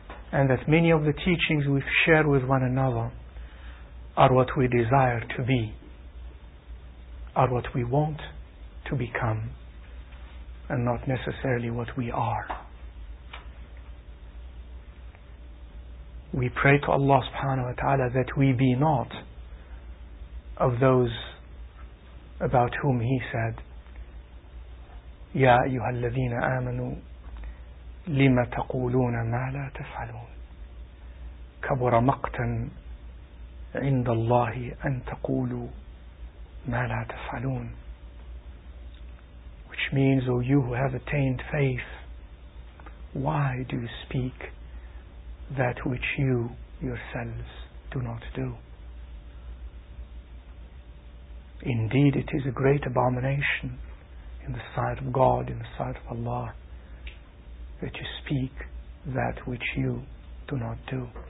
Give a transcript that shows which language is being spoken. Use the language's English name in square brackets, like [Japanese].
[English] And that many of the teachings we share with one another are what we desire to be, are what we want to become, and not necessarily what we are. We pray to Allah subhanahu wa ta'ala that we be not of those about whom He said, [Arabic] يَا أَيُّهَا الَّذِينَ آمَنُوا لِمَ تَقُولُونَ مَا لَا تَفْعَلُونَ كبر مقتا عند الله أن تقولوا ما لا تفعلون. [English] Which means, O you who have attained faith, why do you speak that which you yourselves do not do? Indeed, it is a great abomination in the sight of God, in the sight of Allah, that you speak that which you do not do.